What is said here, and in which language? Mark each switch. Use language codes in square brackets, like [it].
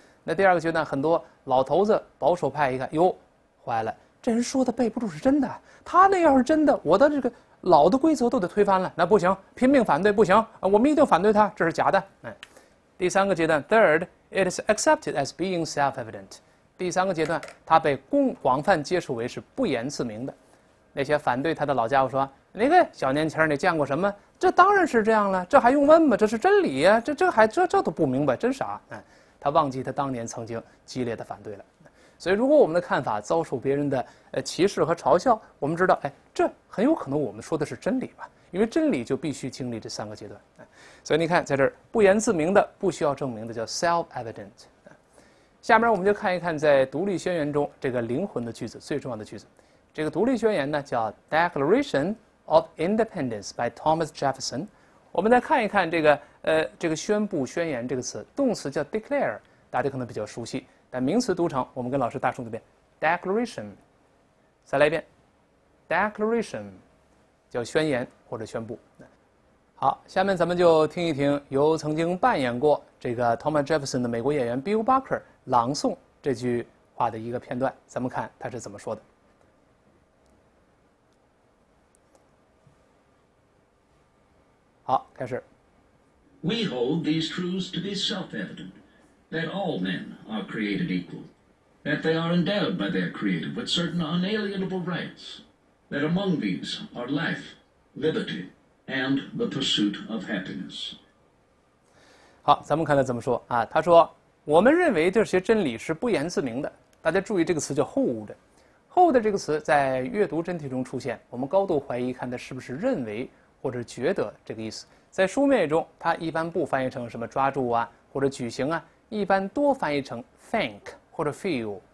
[zh] 那第二个阶段，很多老头子、保守派一看，哟，坏了，这人说的背不住是真的。他那要是真的，我的这个老的规则都得推翻了，那不行，拼命反对不行啊，我们一定反对他，这是假的。第三个阶段， [en] third，it is accepted as being self-evident。 [zh] 第三个阶段，他被广泛接受为是不言自明的。那些反对他的老家伙说：“那个小年轻，你见过什么？这当然是这样了，这还用问吗？这是真理呀、啊！这都不明白，真傻！” 他忘记他当年曾经激烈的反对了。所以，如果我们的看法遭受别人的歧视和嘲笑，我们知道，哎，这很有可能我们说的是真理吧？因为真理就必须经历这三个阶段。所以你看，在这儿不言自明的、不需要证明的叫 self-evident。下面我们就看一看，在独立宣言中这个灵魂的句子，最重要的句子。这个独立宣言呢叫 Declaration of Independence by Thomas Jefferson。我们再看一看这个宣布宣言这个词，动词叫 declare，大家可能比较熟悉，但名词读成，我们跟老师大声读一遍 Declaration。再来一遍 Declaration，叫宣言或者宣布。好，下面咱们就听一听由曾经扮演过这个 Thomas Jefferson 的美国演员 Bill Barker。朗诵这句话的一个片段，咱们看他是怎么说的。好，开始。 [en] We hold these truths to be self-evident, that all men are created equal, that they are endowed by their creator with certain unalienable rights, that among these are life, liberty, and the pursuit of happiness. [zh] 好，咱们看他怎么说啊？他说。我们认为这些真理是不言自明的。大家注意这个词叫 hold 这个词在阅读真题中出现，我们高度怀疑看它是不是认为或者觉得这个意思。在书面语中，它一般不翻译成什么抓住啊或者举行啊，一般多翻译成 think 或者 feel。